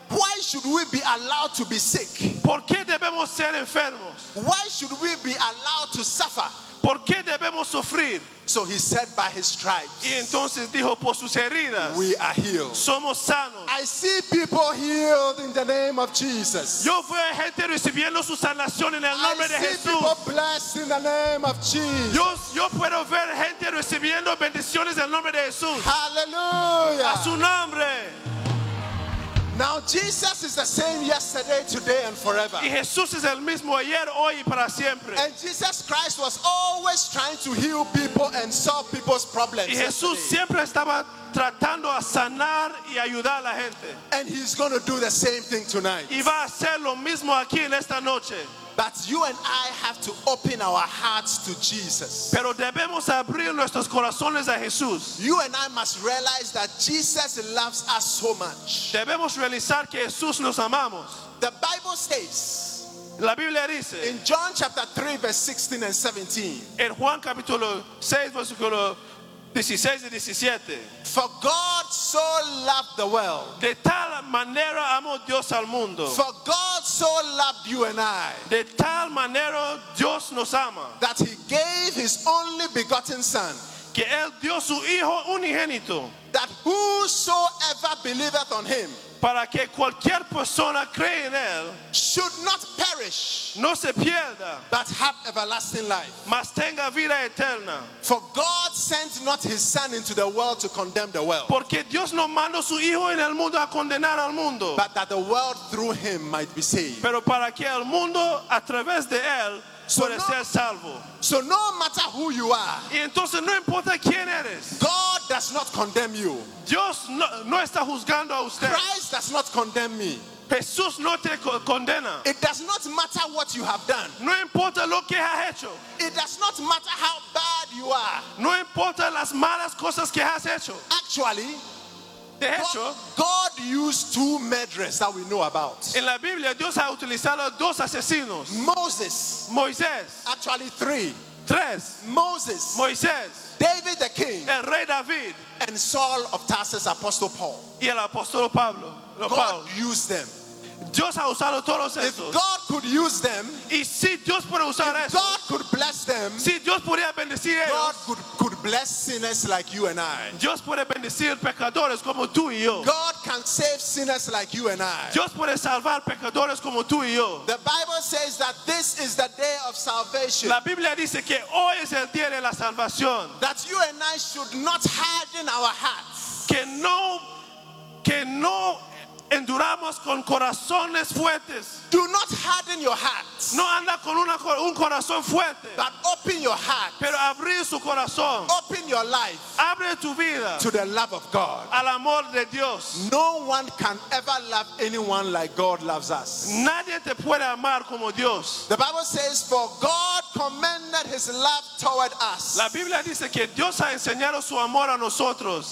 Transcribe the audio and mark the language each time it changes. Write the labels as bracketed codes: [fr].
[en] Why should we be allowed to be sick? [es] ¿Por qué debemos ser enfermos? [en] Why should we be allowed to suffer? [es] ¿Por qué debemos sufrir? [en] So he said, by his stripes, [es] y entonces dijo, por sus heridas, [en] we are healed. [es] Somos sanos. [en] I see people healed in the name of Jesus. [es] Yo veo gente recibiendo su sanación en el nombre de Jesús. [en] I see people blessed in the name of Jesus. [es] Yo puedo ver gente recibiendo bendiciones en el nombre de Jesús. [en] Hallelujah. [es] A su nombre. [en] Now Jesus is the same yesterday, today, and forever. [es] Y Jesús es el mismo ayer, hoy y para siempre. [en] And Jesus Christ was always trying to heal people and solve people's problems. [es] Y Jesús [en] yesterday. [es] Siempre estaba tratando a sanar y ayudar a la gente. [en] And he's going to do the same thing tonight. [es] Y va a hacer lo mismo aquí en esta noche. [en] But you and I have to open our hearts to Jesus. [es] Pero debemos abrir nuestros corazones a Jesús. [en] You and I must realize that Jesus loves us so much. [es] Debemos realizar que Jesús nos amamos. [en] The Bible says, [es] la Biblia dice, [en] in John chapter 3, verse 16 and 17, [es] en Juan capítulo 6, versículo 16 y 17, [en] for God so loved the world, [es] de tal manera amó Dios al mundo, [en] for God so loved you and I, [es] de tal manera Dios nos ama, [en] that he gave his only begotten son, [es] que él dio su hijo unigénito, [en] that whosoever believeth on him, [es] para que cualquier persona cree en él, [en] should not perish, [es] no se pierda, [en] but have everlasting life, [es] mas tenga vida eterna. [en] For God sent not his son into the world to condemn the world, [es] porque Dios no mandó su hijo en el mundo a condenar al mundo, [en] but that the world through him might be saved, [es] pero para que el mundo a través de él, so puede ser salvo. [en] So no matter who you are, [es] y entonces no importa quién eres, [en] God does not condemn you, [es] Dios no está juzgando a usted, [en] Christ does not condemn me, [es] Jesús no te condena. [en] It does not matter what you have done, [es] no importa lo que has hecho. [en] It does not matter how bad you are, [es] no importa las malas cosas que has hecho. [en] Actually, [es] de hecho, [en] God used two murderers that we know about. [es] En la Biblia, Dios ha utilizado dos asesinos. [en] Moses. [es] Moisés. [en] Actually, three. [es] Tres. [en] Moses. [es] Moisés. [en] David the king. [es] El rey David. [en] And Saul of Tarsus, Apostle Paul. [es] Y el apóstol Pablo. [en] God used them. [es] Dios ha usado todos [en] if [es] estos. [en] God could use them, [es] y si Dios puede usar [en] if God could bless them, [es] si Dios podría bendecir [en] God [es] ellos, [en] could bless sinners like you and I. [es] Dios puede bendecir pecadores como tú y yo. [en] God can save sinners like you and I. [es] Dios puede salvar pecadores como tú y yo. [en] The Bible says that this is the day of salvation. [es] La Biblia dice que hoy es el día de la salvación. [en] That you and I should not harden our hearts. [es] Que no enduramos con corazones fuertes. [en] Do not harden your heart. [es] No anda con un corazón fuerte. [en] But open your heart. [es] Pero abre su corazón. [en] Open your life. [es] Abre tu vida. [en] To the love of God. [es] Al amor de Dios. [en] No one can ever love anyone like God loves us. [es] Nadie te puede amar como Dios. [en] The Bible says, for God commended his love toward us. [es] La Biblia dice que Dios ha enseñado su amor a nosotros.